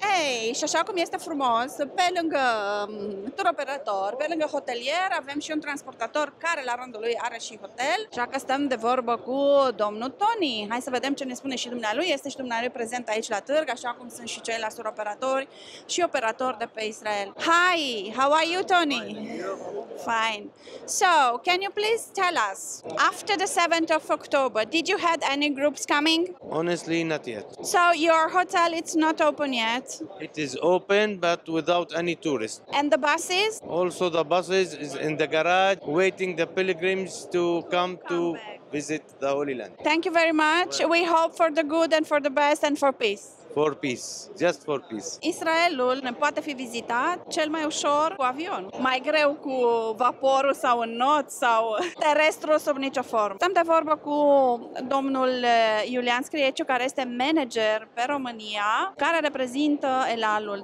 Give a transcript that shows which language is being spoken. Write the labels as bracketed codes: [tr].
[ro] Hei, și așa cum este frumos, pe lângă tur operator, pe lângă hotelier, avem și un transportator care la rândul lui are și hotel. Așa că stăm de vorbă cu domnul Tony. Hai să vedem ce ne spune și dumnealui. Este și dumnealui prezent aici la târg, așa cum sunt și ceilalți tur operatori și operatori de pe Israel. [en] Hi, how are you, Tony? Fine. So, can you please tell us, after the 7th of October, did you had any groups coming? Honestly, not yet. So, your hotel, it's not open yet? It is open, but without any tourists. And the buses? Also, the buses is in the garage, waiting the pilgrims to come to visit the Holy Land. Thank you very much. We hope for the good and for the best and for peace. For peace, just for peace. [ro] Israelul ne poate fi vizitat cel mai ușor cu avion, mai greu cu vaporul sau în not sau terestru sub nicio formă. Stăm de vorbă cu domnul Iulian Scrieciu, care este manager pe România, care reprezintă Elalul.